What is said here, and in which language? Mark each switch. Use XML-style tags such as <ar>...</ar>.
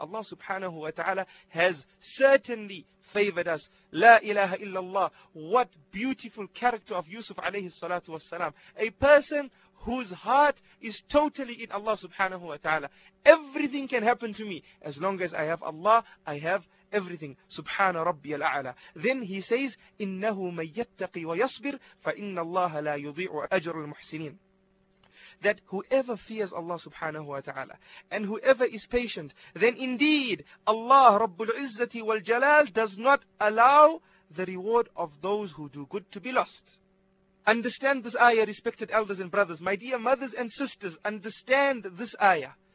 <en>Allah subhanahu wa ta'ala has certainly favored us.</en> <ar>La ilaha illallah.</ar> <en>What beautiful character of Yusuf alayhi salatu wasalam. A person whose heart is totally in Allah subhanahu wa ta'ala. Everything can happen to me. As long as I have Allah, I have everything.</en> <ar>Subhana rabbi al-a'la.</ar> <en>Then he says,</en> <ar>إِنَّهُ مَنْ يَتَّقِ وَيَصْبِرْ فَإِنَّ اللَّهَ لَا يُضِيعُ أَجْرُ الْمُحْسِنِينَ.</ar> <en>That whoever fears Allah subhanahu wa ta'ala and whoever is patient, then indeed Allah Rabbul Izzati wal Jalal does not allow the reward of those who do good to be lost. Understand this ayah, respected elders and brothers. My dear mothers and sisters, understand this ayah.</en>